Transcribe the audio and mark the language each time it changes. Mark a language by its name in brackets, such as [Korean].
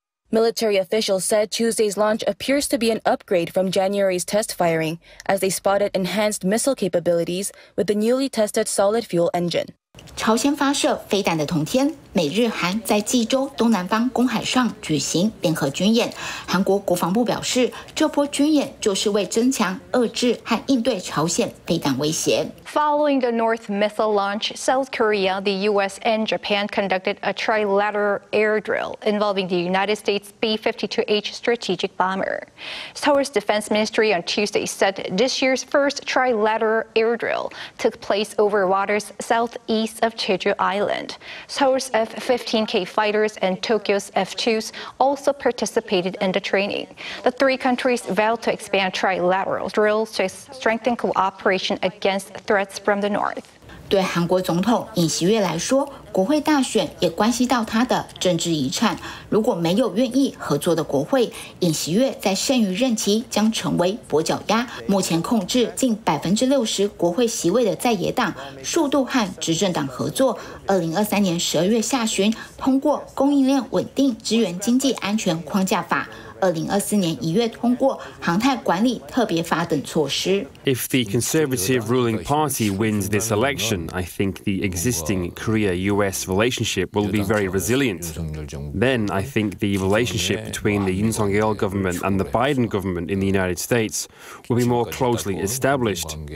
[English] Military officials said Tuesday's launch appears to be an upgrade from January's test firing, as they spotted enhanced missile capabilities with the newly tested solid fuel engine. [Chinese] 朝鲜发射飞弹的同天，美日韩在济州东南方公海上举行联合军演。韩国国防部表示，这波军演就是为增强、遏制和应对朝鲜飞弹威胁。 [English] Following the North missile launch, South Korea, the U.S. and Japan conducted a trilateral air drill involving the United States B-52H strategic bomber. Seoul's Defense Ministry on Tuesday said this year's first trilateral air drill took place over waters southeast of Jeju Island. Seoul's F-15K fighters and Tokyo's F-2s also participated in the training. The three countries vowed to expand trilateral drills to strengthen cooperation against threats from the North. [Chinese] 对韩国总统尹锡悦来说，国会大选也关系到他的政治遗产。如果没有愿意合作的国会，尹锡悦在剩余任期将成为跛脚鸭。目前控制近60%国会席位的在野党，数度和执政党合作。 2023年12月下旬通过《供应链稳定支援经济安全框架法》。 2024年1月通过航太管理特别法等措施。 [English] If the conservative ruling party wins this election, I think the existing Korea-U.S. relationship will be very resilient. Then I think the relationship between the Yoon Suk-yeol government and the Biden government in the United States will be more closely established.